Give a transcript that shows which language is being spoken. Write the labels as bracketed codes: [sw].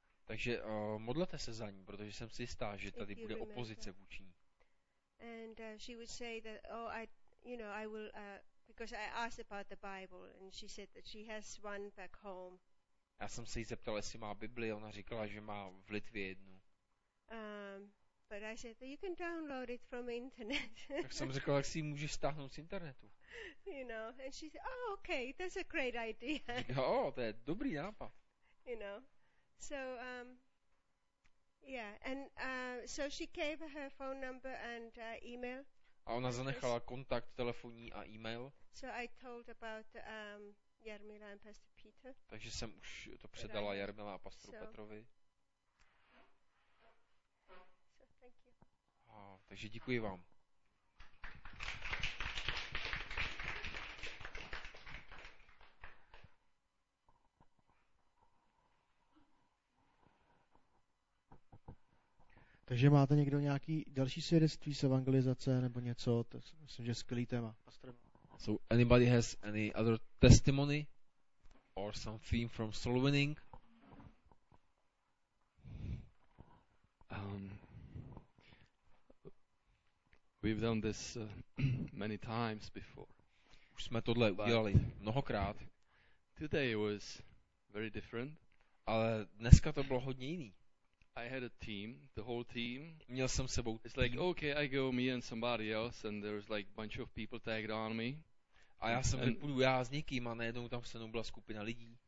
[cs] Takže modlete se za ní, protože jsem si jistá, že tady bude opozice vůči ní. [en] And she would say that, oh, I, you know, I will, because I asked about the Bible, and she said that she has one back home. [cs] Já jsem se jí zeptal, jestli má Bibli, ona říkala, že má v Litvě jednu. [en] But I said, you can download it from internet. [cs] Tak jsem řekla, jak si ji můžeš stáhnout z internetu. [en] You know, and she said, oh, okay, that's a great idea. [cs] Jo, to je dobrý nápad. [en] You know, so yeah, and so she gave her phone number and email. [cs] A ona zanechala kontakt telefonní a e-mail. [en] So I told about Jarmila and Pastor Peter. [cs] Takže jsem už to předala Jarmila a pastoru Petrovi. [en] So thank you. [cs] A, takže děkuji vám. Takže máte někdo nějaký další svědectví z evangelizace nebo něco? To myslím, že skvělý téma. [en] So anybody has any other testimony or some theme from soul winning? We've done this many times before. [cs] Už jsme tohle udělali mnohokrát. [en] Today was very different. [cs] Ale dneska to bylo hodně jiný. [en] I had a team, the whole team. [cs] Měl jsem sebou. [en] It's like okay, I go me and somebody else, and there was like bunch of people tagged on me. [cs] A já jsem vypůjdu já s někým a najednou tam se mnou byla skupina lidí.